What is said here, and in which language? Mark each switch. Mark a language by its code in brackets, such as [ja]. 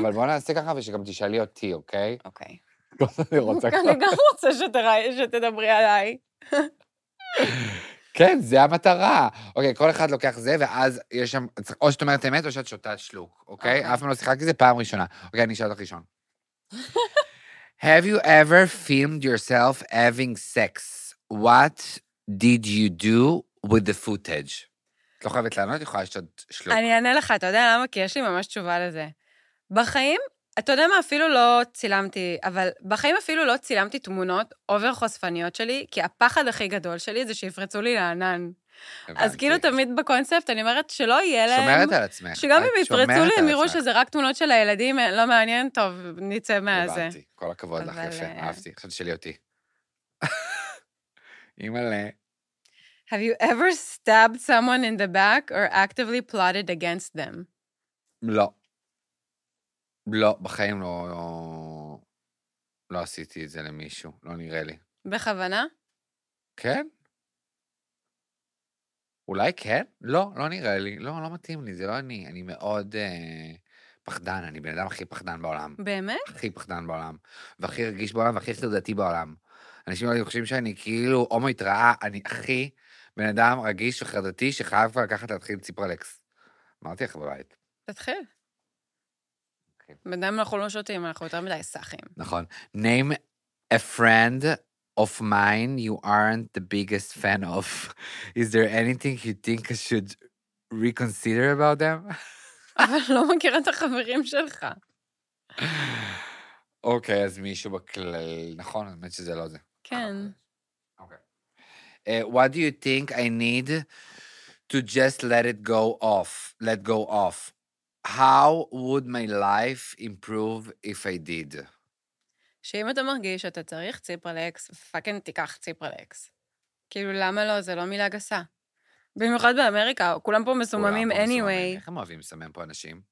[he] אבל בוא נעשה ככה ושגם תשאלי אותי, אוקיי? אוקיי. אני רוצה ככה. אני גם רוצה שתדברי עליי. כן, זה המטרה. אוקיי, כל אחד לוקח זה, ואז יש שם, או שאת אומרת אמת, או שאת שותה שלוק, אוקיי? אף פעם לא שיחקתי זה פעם ראשונה. אוקיי, אני אשאל אותך ראשון. [en] Have you ever filmed yourself having sex? What did you do with the footage? [he] את לא חייבת לענות, יכולה לשתות שלוק. אני אענה לך, אתה יודע למה? כי יש לי ממש תשובה לזה. בחיים, אתה יודע מה, אפילו לא צילמתי, אבל בחיים אפילו לא צילמתי תמונות אובר חושפניות שלי, כי הפחד הכי גדול שלי זה שיפרצו לי לענן. אז כאילו תמיד בקונספט, אני אומרת שלא יהיה להם... שומרת על עצמך. שגם אם יפרצו לי, הם יראו שזה רק תמונות של הילדים, לא מעניין, טוב, נצא מהזה. הבנתי, כל הכבוד לך, יפה, אהבתי, חשבת שלי אותי. אימאלה. [en] Have you ever stabbed someone in the back or actively plotted against them? [he] לא. לא, בחיים לא... לא עשיתי את זה למישהו, לא נראה לי. בכוונה? כן. אולי כן? לא, לא נראה לי. לא, לא מתאים לי, זה לא אני. אני מאוד פחדן, אני בן אדם הכי פחדן בעולם. באמת? הכי פחדן בעולם. והכי רגיש בעולם, והכי חרדתי בעולם. אנשים לא חושבים שאני כאילו הומו התראה, אני הכי בן אדם רגיש וחרדתי, שחייב כבר לקחת להתחיל ציפרלקס. אמרתי לך בבית. תתחיל. בינתיים אנחנו לא שותים, אנחנו יותר מדי סחים. נכון. [en] Name a friend of mine you aren't the biggest fan of. Is there anything you think I should reconsider about them? [he] אבל לא מכירה את החברים שלך. אוקיי, אז מישהו בכלל... נכון, אני אומרת שזה לא זה. כן. אוקיי. [en] What do you think I need to just let it go off? Let go off. How would my life improve if I did? [he] שאם אתה מרגיש שאתה צריך ציפרלקס, פאקן תיקח ציפרלקס. כאילו, למה לא? זה לא מילה גסה. במיוחד באמריקה, כולם פה מסוממים anyway. איך הם אוהבים לסמם פה אנשים?